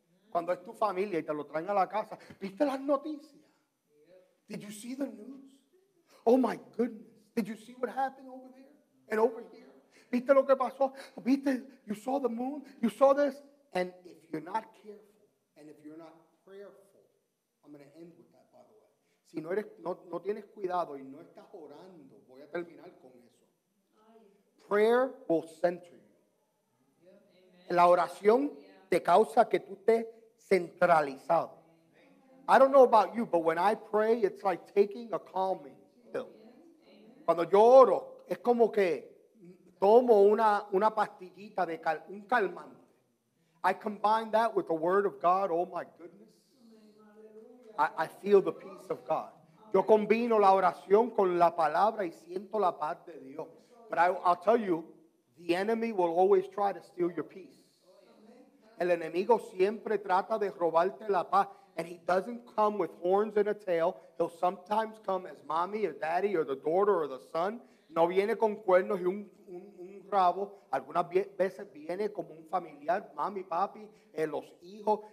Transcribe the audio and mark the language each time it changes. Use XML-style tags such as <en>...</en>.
<es>Cuando es tu familia y te lo traen a la casa. ¿Viste las noticias?</es> <en>Did you see the news? Oh my goodness. Did you see what happened over there and over here?</en> <es>¿Viste lo que pasó? ¿Viste?</es> <en>You saw the moon? You saw this? And if you're not careful, and if you're not prayerful, I'm going to end with that, by the way.</en> <es>Si no eres, no tienes cuidado y no estás orando, voy a terminar con eso.</es> <en>Prayer will center you.</en> <es>La oración te causa que tú estés centralizado.</es> <en>I don't know about you, but when I pray, it's like taking a calming pill.</en> <es>Cuando yo oro, es como que tomo una pastillita de un calmante.</es> <en>I combine that with the word of God. Oh my goodness. I feel the peace of God.</en> <es>Yo combino la oración con la palabra y siento la paz de Dios.</es> <en>But I'll tell you, the enemy will always try to steal your peace.</en> <es>El enemigo siempre trata de robarte la paz.</es> <en>And he doesn't come with horns and a tail. He'll sometimes come as mommy or daddy or the daughter or the son.</en> <es>No viene con cuernos y un rabo. Algunas veces viene como un familiar, mami, papi, los hijos.</es>